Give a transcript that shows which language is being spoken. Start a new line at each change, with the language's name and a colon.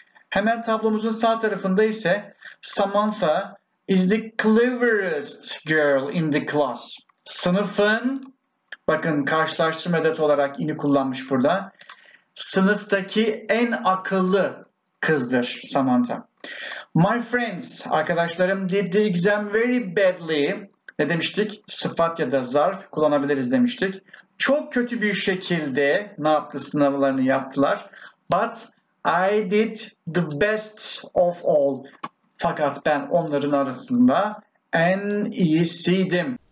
Turkish: Hemen tablomuzun sağ tarafında ise
English: Samantha is the cleverest girl in the class.
Turkish: Sınıfın, bakın karşılaştırma edatı olarak in'i kullanmış burada. Sınıftaki en akıllı kızdır Samantha.
English: My friends, arkadaşlarım did the exam very badly.
Turkish: Ne demiştik? Sıfat ya da zarf kullanabiliriz demiştik. Çok kötü bir şekilde ne yaptı, sınavlarını yaptılar.
English: But I did the best of all.
Turkish: Fakat ben onların arasında en iyisiydim.